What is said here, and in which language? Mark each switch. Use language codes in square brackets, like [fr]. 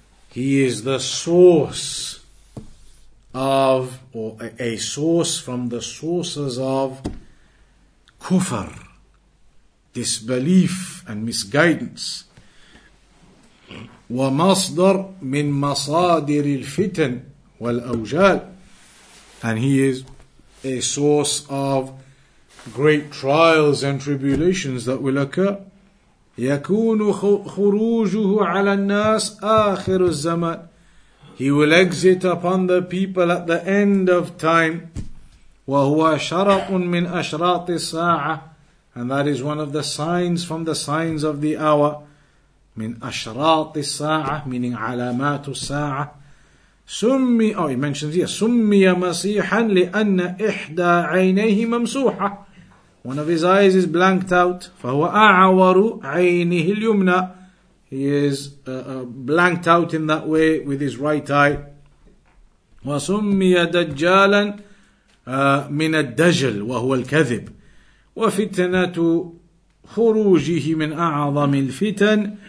[en] He is the source of, or a source from the sources of kufr, disbelief and misguidance. [ar] وَمَصْدَرْ مِنْ مَصَادِرِ الْفِتَنْ وَالْأَوْجَالِ. [en] And he is a source of great trials and tribulations that will occur. [ar] يكون خروجه على الناس آخر الزمان. [en] He will exit upon the people at the end of time. [ar] وهو شرط من أشراط الساعة. [en] And that is one of the signs from the signs of the hour. [ar] من أشراط الساعة, [en] meaning [ar] علامات الساعة. سمي, [en] oh, he mentions here, [ar] سمي مسيحا لأن إحدى عينيه ممسوحة. [en] One of his eyes is blanked out. [ar] فَهُوَ أَعَوَرُ عَيْنِهِ الْيُمْنَى. [en] He is blanked out in that way with his right eye. [ar] وَسُمِّيَ دَجَّالًا مِنَ الدَّجَلِ وَهُوَ الْكَذِبِ. وَفِتْنَةُ خُرُوجِهِ مِنْ أَعَظَمِ الْفِتَنِ.